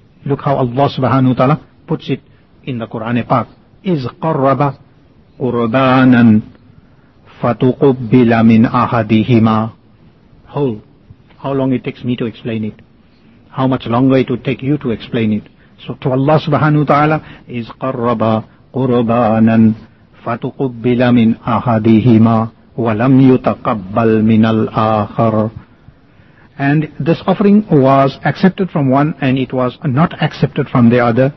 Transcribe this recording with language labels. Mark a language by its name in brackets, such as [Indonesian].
[English] Look how Allah subhanahu wa ta'ala puts it in the Quran Pak. [Arabic] Iz qarraba qurbanan فَتُقُبِّلَ مِنْ أَحَدِهِمَا. [English] Hold. How long it takes me to explain it? How much longer it would take you to explain it? So to [Arabic] Allah subhanahu wa ta'ala, is قَرَّبَ قُرْبَانًا فَتُقُبِّلَ مِنْ أَحَدِهِمَا وَلَمْ يُتَقَبَّلْ مِنَ الْآخَرِ. [English] And this offering was accepted from one and it was not accepted from the other.